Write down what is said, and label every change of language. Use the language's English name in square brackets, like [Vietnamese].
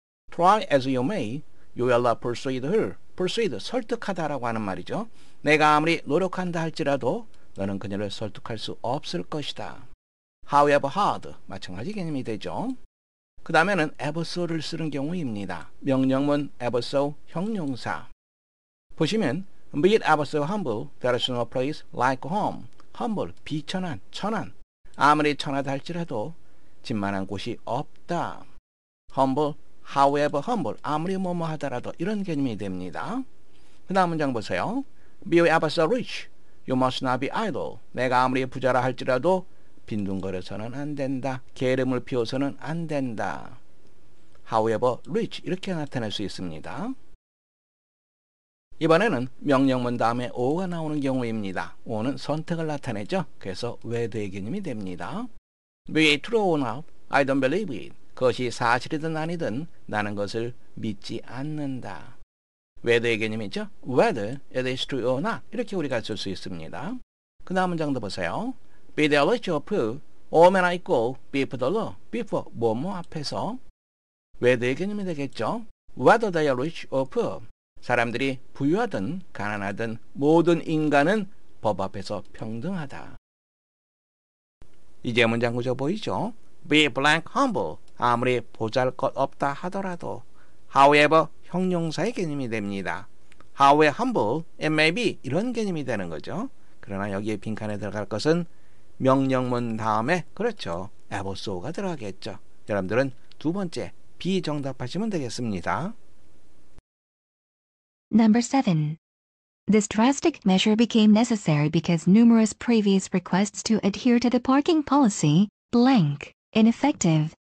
[English] Try as you may, you will not persuade her. [Korean] Persuade, 설득하다 라고 하는 말이죠. 내가 아무리 노력한다 할지라도 너는 그녀를 설득할 수 없을 것이다. [English] However hard, [Korean] 마찬가지 개념이 되죠. 그 다음에는 ever so를 쓰는 경우입니다. 명령문 [English] ever so, [Korean] 형용사. 보시면 [English] Be it ever so humble, there is no place like home. [Korean] Humble, 비천한, 천한. 아무리 천하다 할지라도 집만한 곳이 없다. Humble, [English] however humble, [Korean] 아무리 뭐뭐 하더라도 이런 개념이 됩니다. 그 다음 문장 보세요. [English] Be you ever so rich, you must not be idle. [Korean] 내가 아무리 부자라 할지라도 빈둥거려서는 안 된다. 게으름을 피워서는 안 된다. [English] However rich, [Korean] 이렇게 나타낼 수 있습니다. 이번에는 명령문 다음에 오가 나오는 경우입니다. 오는 선택을 나타내죠. 그래서 whether의 개념이 됩니다. [English] Be it true or not, I don't believe it. [Korean] 그것이 사실이든 아니든 나는 그것을 믿지 않는다. whether의 개념이죠. [English] Whether it is true or not. [Korean] 이렇게 우리가 쓸 수 있습니다. 그 다음 문장도 보세요. [English] Be the virtue of who, all men are equal, before the law, before, [Korean] 뭐뭐 앞에서. whether의 개념이 되겠죠. [English] Whether they are rich or poor. [Korean] 사람들이 부유하든 가난하든 모든 인간은 법 앞에서 평등하다. 이제 문장 구조 보이죠? [English] Be blank humble. [Korean] 아무리 보잘것없다 하더라도 however 형용사의 개념이 됩니다. [English] However humble it may be [Korean] 이런 개념이 되는 거죠. 그러나 여기에 빈칸에 들어갈 것은 명령문 다음에 그렇죠. ever so가 들어가겠죠. 여러분들은 두 번째 be 정답하시면 되겠습니다. [English] Number 7. This drastic measure became necessary because numerous previous requests to adhere to the parking policy, blank, ineffective.